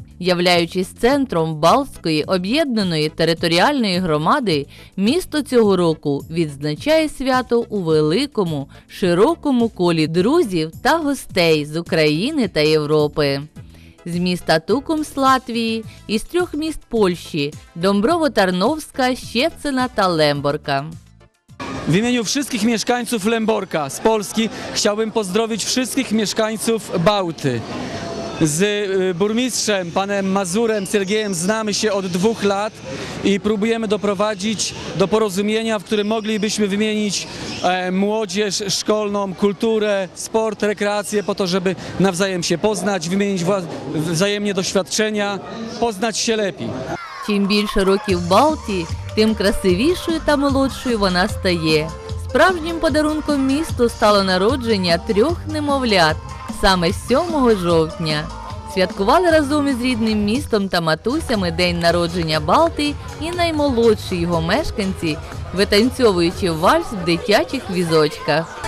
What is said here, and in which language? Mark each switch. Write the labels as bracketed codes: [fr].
[uk] Являючись центром Балтської об'єднаної територіальної громади, місто цього року відзначає свято у великому, широкому колі друзів та гостей з України та Європи. З міста Туком з Латвії, із трьох міст Польщі – Домброво-Тарновська, Щецина та Лемборка. [pl] W imieniu wszystkich mieszkańców Lęborka z Polski chciałbym pozdrowić wszystkich mieszkańców Bałty. Z burmistrzem, panem Mazurem, Sergiejem znamy się od 2 lat i próbujemy doprowadzić do porozumienia, w którym moglibyśmy wymienić młodzież szkolną, kulturę, sport, rekreację po to, żeby nawzajem się poznać, wymienić wzajemnie doświadczenia, poznać się lepiej. [uk] Чим більше років Балті, тим красивішою та молодшою вона стає. Справжнім подарунком місту стало народження 3 немовлят саме 7 жовтня. Святкували разом із рідним містом та матусями день народження Балти і наймолодші його мешканці, витанцьовуючи вальс в дитячих візочках.